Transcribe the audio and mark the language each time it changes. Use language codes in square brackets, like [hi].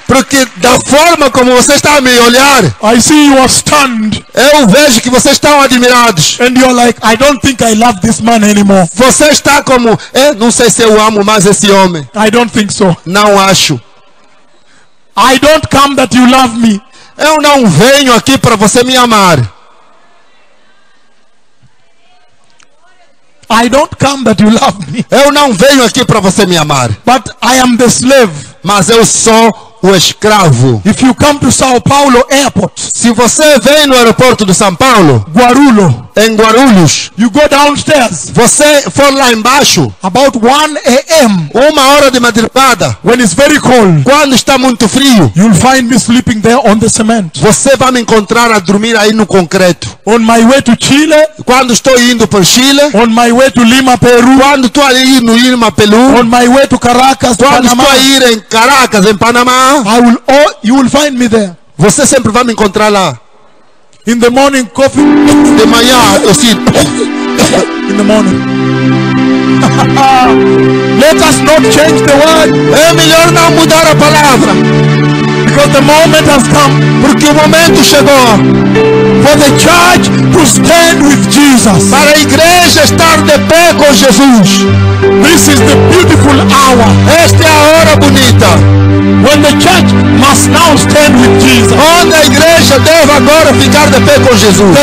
[pt] porque da forma como você está a me olhar, [en] I see you are stunned. [pt] Eu vejo que vocês estão admirados. [en] And you are like, I don't think I love this man anymore. [pt] Você está como, não sei se eu amo mais esse homem. [en] I don't think so. [pt] Não acho. [en] I don't come that you love me. [pt] Eu não venho aqui para você me amar. [en] I don't come that you love me. [pt] Eu não venho aqui para você me amar. [en] But I am the slave. [pt] Mas eu sou o escravo. [en] If you come to São Paulo Airport, [pt] se você vem no aeroporto de São Paulo, Guarulho, em Guarulhos, [en] you go downstairs. [pt] Você for lá embaixo. [en] About 1 a.m. [pt] Uma hora de madrugada. [en] When it's very cold. [pt] Quando está muito frio. [en] You'll find me sleeping there on the cement. [pt] Você vai me encontrar a dormir aí no concreto. [en] On my way to Chile. [pt] Quando estou indo para Chile. [en] On my way to Lima, Peru. [pt] Quando estou indo Lima, Peru. [en] On my way to Caracas, [pt] quando Panamá. Estou a ir em Caracas, em Panamá. [en] you will find me there. [pt] Você sempre vai me encontrar lá. [en] In the morning coffee. [pt] De manhã, assim. [en] In the morning. Let us not change the word. [pt] É melhor não mudar a palavra. [en] Because the moment has come. [pt] Porque o momento chegou. [en] For the church to stand with Jesus. [pt] Para a igreja estar de pé com Jesus. [en] This is the beautiful hour. [pt] Esta é a hora bonita. [en] When the church must now stand with Jesus. [pt] Onde a igreja deve agora ficar de pé com Jesus.